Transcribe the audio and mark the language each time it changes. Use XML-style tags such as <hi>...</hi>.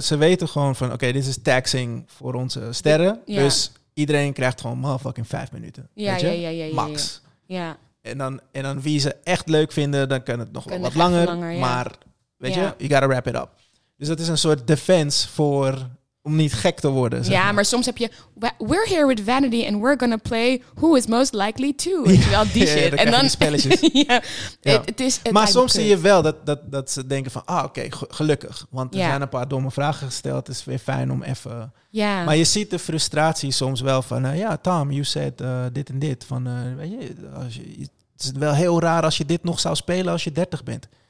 <nl>Ze weten gewoon van, oké, dit is taxing voor onze sterren. Ja. Dus... Iedereen krijgt gewoon motherfucking 5 minuten. Ja. Max. Ja. En dan wie ze echt leuk vinden, dan kan het nog wel wat langer. Maar, weet je,</nl> <en>you gotta wrap it up.</en> <nl>Dus dat is een soort defense voor om niet gek te worden. Ja, maar soms heb je...</nl> <en>We're here with Vanity and we're gonna play who is most likely to.</en> <nl>Weet je wel, die shit. Ja, dan die spelletjes. Maar soms zie je wel dat ze denken van... Ah, oké, gelukkig. Want er zijn een paar domme vragen gesteld. Het is weer fijn om even... Ja. Maar je ziet de frustratie soms wel van... Tom,</nl> <en>you said</en> <nl>dit en dit. Van, weet je, als je, het is wel heel raar als je dit nog zou spelen als je 30 bent.</nl>